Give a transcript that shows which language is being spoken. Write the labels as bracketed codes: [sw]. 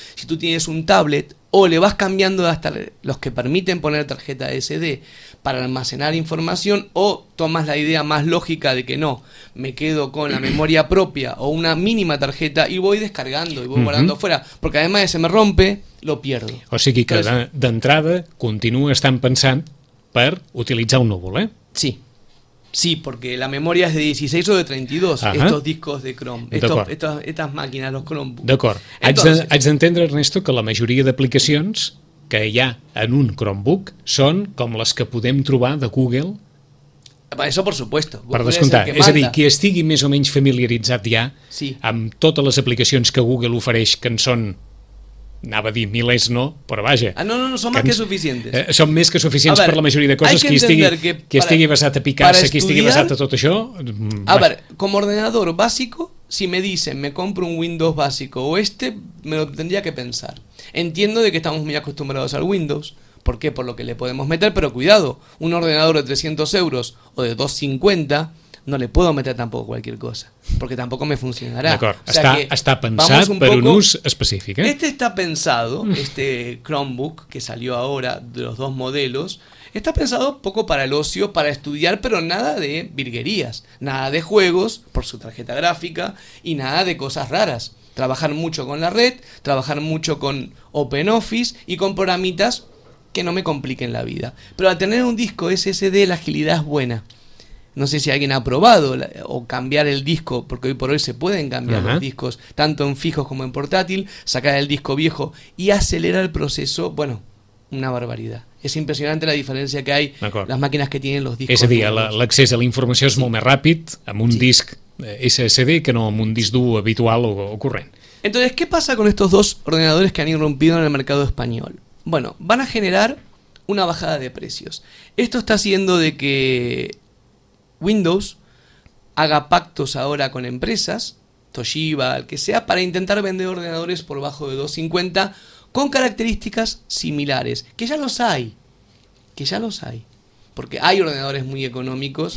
[es] Si tú tienes un tablet o le vas cambiando hasta los que permiten poner tarjeta SD para almacenar información, o tomas la idea más lógica de que no, me quedo con la memoria propia o una mínima tarjeta y voy descargando y voy guardando fuera, porque además de se me rompe, lo pierdo. [ca] O sigui que d'entrada continúa estant pensant per utilitzar un núvol, ¿eh? [es] Sí. Sí, porque la memoria es de 16 o de 32, ajá, estos discos de Chrome, estas máquinas, los Chromebooks. [ca] D'acord. Haig d'entendre, Ernesto, que la majoria d'aplicacions que hi ha en un Chromebook són com les que podem trobar de Google. [es] Eso por supuesto. [ca] Google per descomptar. És a dir, qui estigui més o menys familiaritzat ja amb totes les aplicacions que Google ofereix, que en són... Anava a dir milers, no, però vaja. Ah, no, són més que suficients. Són més que suficients per la majoria de coses. Qui estigui basat a Picasso, qui estigui basat a tot això... A veure, com a ordenador bàsic, [es] si me dicen me compro un Windows bàsic o este, me lo tendría que pensar. Entiendo de que estamos muy acostumbrados al Windows. ¿Por qué? Por lo que le podemos meter, pero cuidado. Un ordenador de 300 euros o de 250... No le puedo meter tampoco cualquier cosa, porque tampoco me funcionará. [ca] D'acord, [es] o sea, [ca] està pensat per un ús específic. ¿Eh? [es] Este está pensado, este Chromebook que salió ahora, de los dos modelos, está pensado poco para el ocio, para estudiar, pero nada de virguerías, nada de juegos por su tarjeta gráfica y nada de cosas raras. Trabajar mucho con la red, trabajar mucho con OpenOffice y con programitas que no me compliquen la vida. Pero al tener un disco SSD, la agilidad es buena. No sé si alguien ha probado o cambiar el disco, porque hoy por hoy se pueden cambiar los discos, tanto en fijos como en portátil, sacar el disco viejo y acelerar el proceso, bueno, una barbaridad. Es impresionante la diferencia que hay, las máquinas que tienen los discos. [ca] És a dir, l'accés a la informació és molt més ràpid amb un disc SSD que no amb un disc dur habitual o corrent. [es] Entonces, ¿qué pasa con estos dos ordenadores que han irrumpido en el mercado español? Bueno, van a generar una bajada de precios. Esto está haciendo de que Windows haga pactos ahora con empresas, Toshiba, el que sea, para intentar vender ordenadores por bajo de 250 con características similares, que ya los hay, porque hay ordenadores muy económicos.